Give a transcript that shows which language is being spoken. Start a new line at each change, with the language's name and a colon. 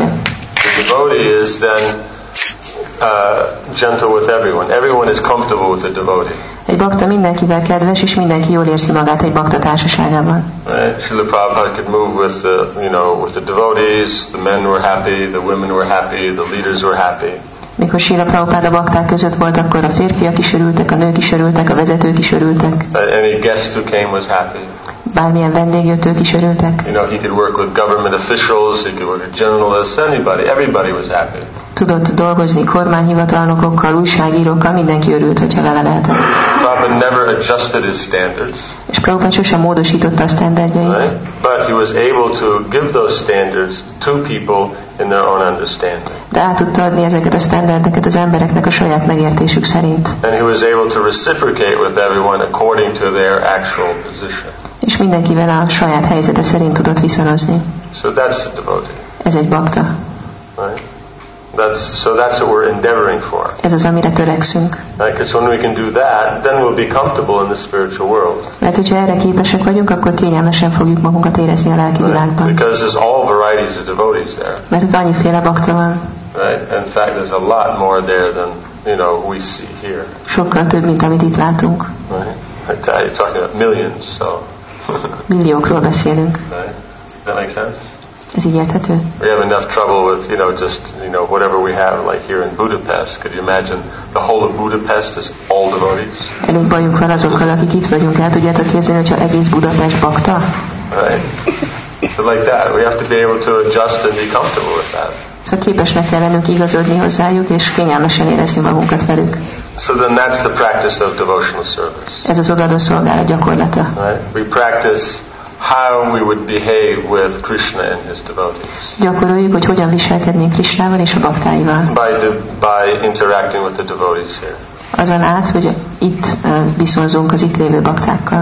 English: Right? The devotee is then gentle with everyone. Everyone is comfortable with a devotee.
Hungarian: Egy bakta mindenkivel kedves, és mindenki jól érzi magát egy bakta társaságában.
English: Right? Srila Prabhupada could move with the, you know, with the devotees. The men were happy, the women were happy, the leaders were happy.
Hungarian: Mikor Srila Prabhupada bakták között volt, akkor a férfiak is örültek, a nők is örültek, a vezetők is örültek.
English: Any guest who came was happy.
Hungarian: Bármilyen vendég jött, ők is örültek.
English: You know, he could work with government officials, he could work with journalists, anybody, everybody was happy.
Hungarian: Tudott dolgozni kormányhivatalnokokkal, újságírókkal, mindenki örült, hogyha vele lehetett.
English: Prabhupada never adjusted his standards.
Hungarian: És Prabhupada sosem módosította a standardjait.
English: Right? But he was able to give those standards to people in their own understanding.
Hungarian: De át tudta adni ezeket a standardeket az embereknek a saját megértésük szerint.
English: And he was able to reciprocate with everyone according to their actual position.
Hungarian: És mindenkivel a saját helyzete szerint tudott viszonozni.
English: So that's a devotee.
Hungarian: Ez egy bakta.
English: Right? That's what we're endeavoring for.
Hungarian: Ez az, amire törekszünk.
English: Right? Because when we can do that, then we'll be comfortable in the spiritual world.
Hungarian: Mert hogyha erre képesek vagyunk, akkor kényelmesen fogjuk magunkat érezni a lelki világban.
English: Because there's all varieties of devotees there.
Hungarian: Mert ott annyiféle bakta van.
English: Right? In fact, there's a lot more there than, you know, we see here.
Hungarian: Sokkal több, mint amit itt látunk.
English: Right? I tell you, talking about millions, so.
Hungarian: Milliókról beszélünk.
English: Right? That makes sense.
Hungarian: Ez így érthető?
English: We have enough trouble with, you know, just, you know, whatever we have, like here in Budapest. Could you imagine the whole of Budapest is all devotees?
Hungarian: Elég bajunk van azokkal, akik itt vagyunk. El tudjátok képzelni, hogyha egész Budapest bakta?
English: Right. So like that. We have to be able to adjust and be comfortable with that.
Hungarian: Szóval képesnek kell lennünk igazodni hozzájuk, és kényelmesen érezni magunkat velük.
English: So then that's the practice of devotional service.
Hungarian: Ez az odaadó szolgálat gyakorlata.
English: Right. We practice how we would behave with Krishna and his devotees.
Hungarian: Gyakoroljuk, hogy hogyan viselkednénk Krishnával és a baktáival.
English: By interacting with the devotees here.
Hungarian: Azon át, hogy itt viszonyzunk az itt lévő baktákkal.